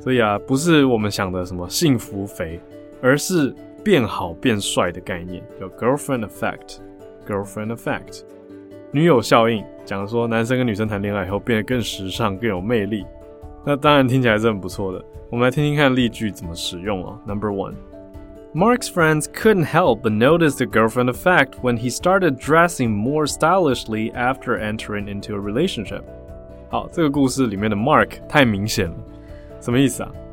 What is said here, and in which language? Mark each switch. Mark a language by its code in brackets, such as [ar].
[zh] 所以啊，不是我们想的什么幸福肥，而是变好变帅的概念，叫 girlfriend effect， girlfriend effect， 女友效应，讲说男生跟女生谈恋爱以后变得更时尚更有魅力。那当然听起来是很不错的，我们来听听看例句怎么使用哦。 [en] Number one， Mark's friends couldn't help but notice the girlfriend effect when he started dressing more stylishly after entering into a relationship。 [zh] 好，这个故事里面的 Mark 太明显了。什么意思啊？